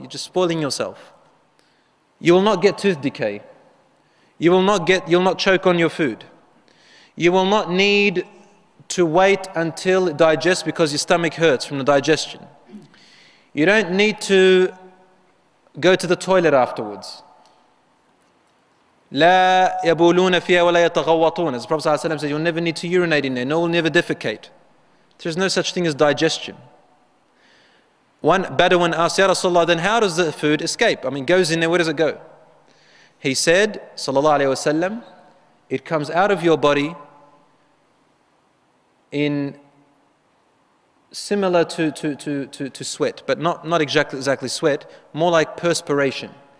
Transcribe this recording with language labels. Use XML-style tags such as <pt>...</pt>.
<en>You're just spoiling yourself. You will not get tooth decay. You'll not choke on your food. You will not need to wait until it digests because your stomach hurts from the digestion. You don't need to go to the toilet afterwards.</en> <ar>لا يبولون فيها ولا يتغوطون.</ar> <en>As the Prophet ﷺ said, you'll never need to urinate in there. No, will never defecate. There's no such thing as digestion. One Bedouin asked, Ya Rasulullah, then how does the food escape? I mean, goes in there, where does it go? He said, Sallallahu Alaihi Wasallam, it comes out of your body in similar to sweat, but not exactly sweat, more like perspiration.</en>